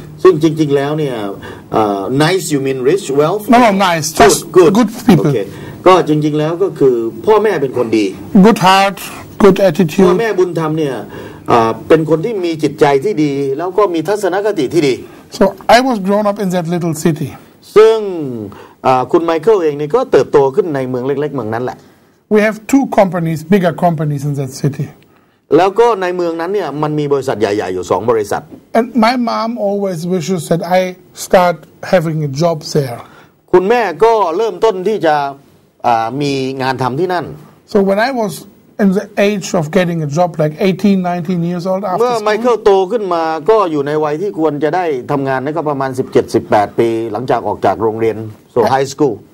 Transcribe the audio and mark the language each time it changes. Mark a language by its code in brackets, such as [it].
[th] ซึ่งจริงๆแล้วเนี่ย [en] nice you mean rich wealth no nice just good people [th] ก็จริงๆแล้วก็คือพ่อแม่เป็นคนดี [en] good heart good attitude [th] พ่อแม่บุญธรรมเนี่ยเป็นคนที่มีจิตใจที่ดีแล้วก็มีทัศนคติที่ดี [en] so I was grown up in that little city [th] ซึ่งคุณไมเคิลเองนี่ก็เติบโตขึ้นในเมืองเล็กๆเมืองนั้นแหละ [en] we have two companies bigger companies in that city [th] แล้วก็ในเมืองนั้นเนี่ยมันมีบริษัทใหญ่ๆอยู่2บริษัท [en] And my mom always wishes that I start having a job there [th] คุณแม่ก็เริ่มต้นที่จะมีงานทำที่นั่น [en] So when I was in the age of getting a job like 18 19 years old after [th] เมื่อไมเคิลโตขึ้นมาก็อยู่ในวัยที่ควรจะได้ทำงานนะก็ประมาณ17 18ปีหลังจากออกจากโรงเรียน [en] So high school